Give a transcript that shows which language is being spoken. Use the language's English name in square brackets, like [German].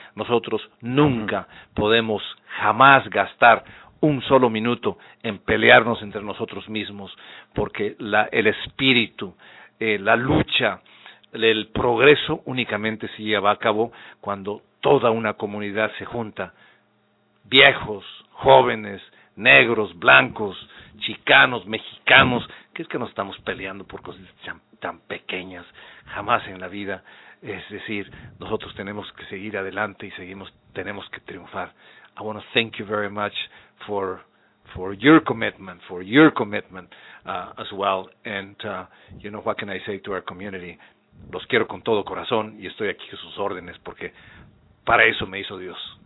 [Spanish] Nosotros nunca podemos jamás gastar un solo minuto en pelearnos entre nosotros mismos, porque el espíritu, la lucha, el progreso únicamente se lleva a cabo cuando toda una comunidad se junta, viejos, jóvenes, negros, blancos, chicanos, mexicanos. ¿Qué es que nos estamos peleando por cosas tan pequeñas? Jamás en la vida. Es decir, nosotros tenemos que seguir adelante y tenemos que triunfar. [English] I want to thank you very much for your commitment as well. And you know, what can I say to our community? [Spanish] Los quiero con todo corazón y estoy aquí a sus órdenes porque para eso me hizo Dios.